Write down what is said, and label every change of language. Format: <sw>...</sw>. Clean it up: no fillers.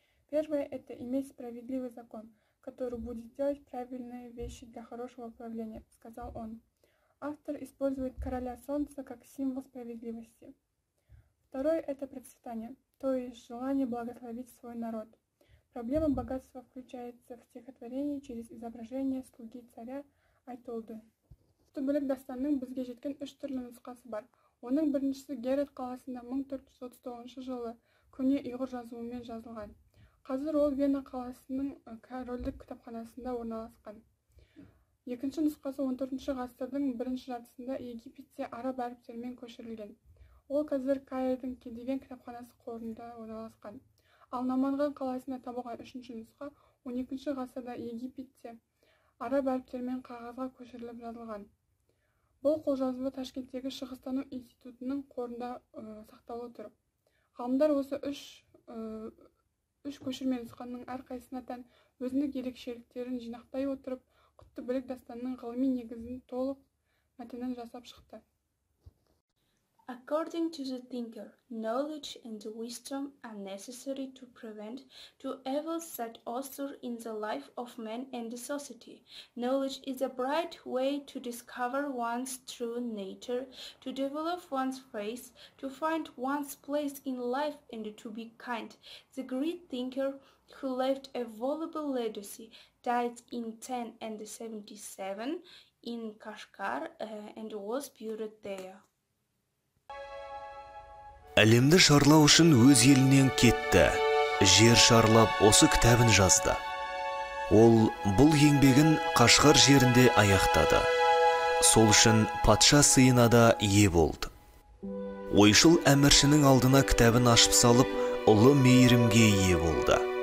<ru>Первое – это «Иметь справедливый закон», который будет делать правильные вещи для хорошего правления, сказал он. Автор использует короля солнца как символ справедливости. Второе – это процветание, то есть желание благословить свой народ. Проблема богатства включается в стихотворении через изображение слуги царя Айтолды.</ru> <kk>Құтты Білік дастанының бізге жеткен үш түрлі нұсқасы бар. Оның біріншісі Герат қаласында 1439 жылы көне ұйғыр жазуымен жазылған. Қазір ол Вена қаласының корольдік кітапханасында орналасқан. Екінші нұсқасы 14-ші ғасырдың бірінші жартысында Египетте араб әріптерімен көшірілген. Ол қазір Каирдің Кедивен кітапханасы қорында орналасқан. Ал Наманған қаласында табылған үшінші нұсқа 12-ші ғасырда Египетте араб әріптерімен қағазға көшіріліп жазылған. Бұл қолжазба Ташкенттегі Шығыстану институтының қорында сақтаулы тұр. Ғалымдар осы үш көшірме нұсқаның әрқайсына тән өзіндік ерекшеліктерін жинақтай отырып, Құтты Білік дастанының ғылыми негізін толық мәтінін жасап шықты.</kk> <en>According to the thinker, knowledge and wisdom are necessary to prevent to evils that occur in the life of man and the society. Knowledge is a bright way to discover one's true nature, to develop one's faith, to find one's place in life and to be kind. The great thinker who left a valuable legacy died in 1077 in Kashgar and was buried there.</en> <kk>Әлемді шарлау үшін өз елінен кетті. Жер шарлап осы кітабын жазды. Ол бұл еңбегін Қашғар жерінде аяқтады. Сол үшін патша сыйына да ие болды. Ойшыл әміршінің алдына кітабын ашып салып, ұлы мейірімге ие болды.</kk>